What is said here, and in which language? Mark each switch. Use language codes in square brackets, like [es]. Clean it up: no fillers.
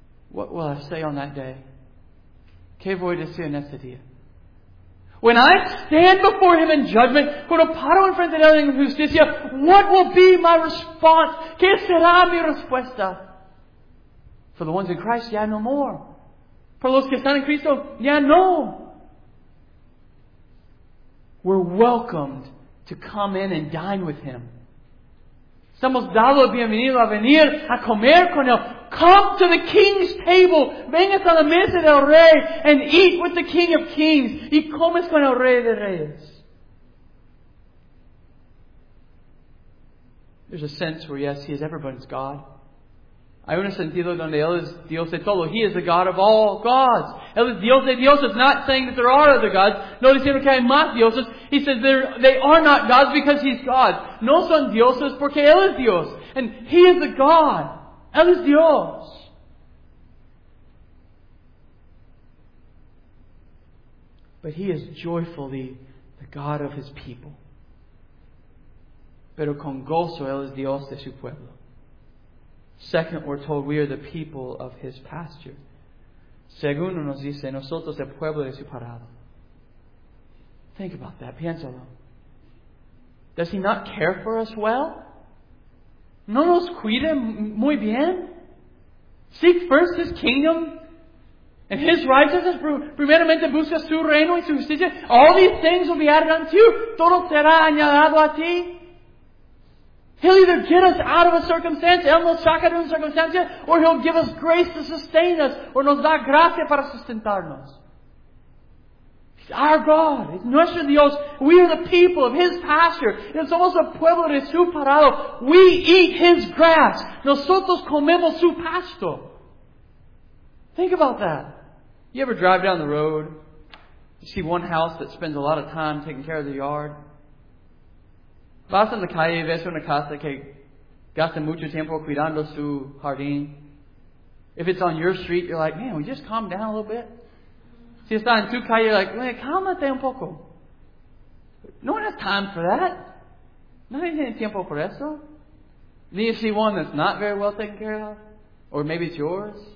[en] What will I say on that day? [es] ¿Qué voy a decir en ese día? [en] When I stand before Him in judgment, [es] cuando paro en frente de Él en justicia, [en] what will be my response? [es] ¿Qué será mi respuesta? [en] For the ones in Christ, ya no more. [es] Por los que están en Cristo, ya no. [en] We're welcomed to come in and dine with Him. [es] Estamos dados bienvenidos a venir a comer con Él. [en] Come to the King's table. [es] Vengas a la mesa del Rey [en] and eat with the King of Kings. [es] Y comes con el Rey de Reyes. [en] There's a sense where, yes, He is everybody's God. [es] Hay un sentido donde Él es Dios de todo. [en] He is the God of all gods. [es] Él es Dios de dioses. [en] Not saying that there are other gods. [es] No diciendo que hay más dioses. [en] He says they are not gods because He's God. [es] No son dioses porque Él es Dios. [en] And He is the God. [es] Él es Dios. [en] But He is joyfully the God of His people. [es] Pero con gozo Él es Dios de su pueblo. [en] Second, we're told we are the people of His pasture. [es] Segundo, nos dice, nosotros el pueblo de su parada. [en] Think about that. [es] Piénsalo. [en] Does He not care for us well? [es] ¿No nos cuida muy bien? [en] Seek first His kingdom and His righteousness. [es] Primeramente busca su reino y su justicia. [en] All these things will be added unto you. [es] Todo será añadido a ti. [en] He'll either get us out of a circumstance, [es] Él nos saca de una circunstancia, [en] or He'll give us grace to sustain us, or [es] nos da gracia para sustentarnos. [en] He's our God. He's [es] nuestro Dios. [en] We are the people of His pasture. [es] Él somos el pueblo de su parado. [en] We eat His grass. [es] Nosotros comemos su pasto. [en] Think about that. You ever drive down the road, you see one house that spends a lot of time taking care of the yard? [es] Vas en la calle, ves una casa que gasta mucho tiempo cuidando su jardín. [en] If it's on your street, you're like, man, we just calm down a little bit. [es] Si está en tu calle, [en] you're like, man, [es] cálmate un poco. [en] No one has time for that. [es] Nadie tiene tiempo por eso. [en] And then you see one that's not very well taken care of, or maybe it's yours.